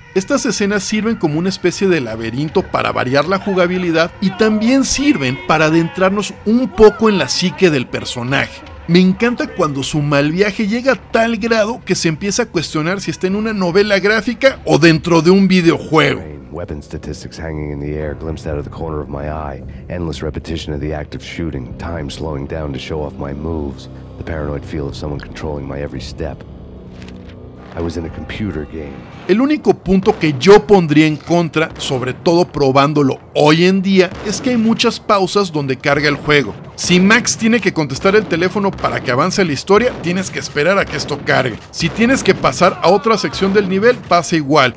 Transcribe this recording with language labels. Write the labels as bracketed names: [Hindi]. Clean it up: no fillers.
[Spanish] Estas escenas sirven como una especie de laberinto para variar la jugabilidad y también sirven para adentrarnos un poco en la psique del personaje. Me encanta cuando su mal viaje llega a tal grado que se empieza a cuestionar si está en una novela gráfica o dentro de un videojuego. [English] Weapon statistics hanging in the air, glimpsed out of the corner of my eye. Endless repetition of the act of shooting, time slowing down to show off my moves. The paranoid feel of someone controlling my every step. I was in a computer game. [Spanish] El único punto que yo pondría en contra, sobre todo probándolo hoy en día, es que hay muchas pausas donde carga el juego. Si Max tiene que contestar el teléfono para que avance la historia, tienes que esperar a que esto cargue. Si tienes que pasar a otra sección del nivel, pasa igual.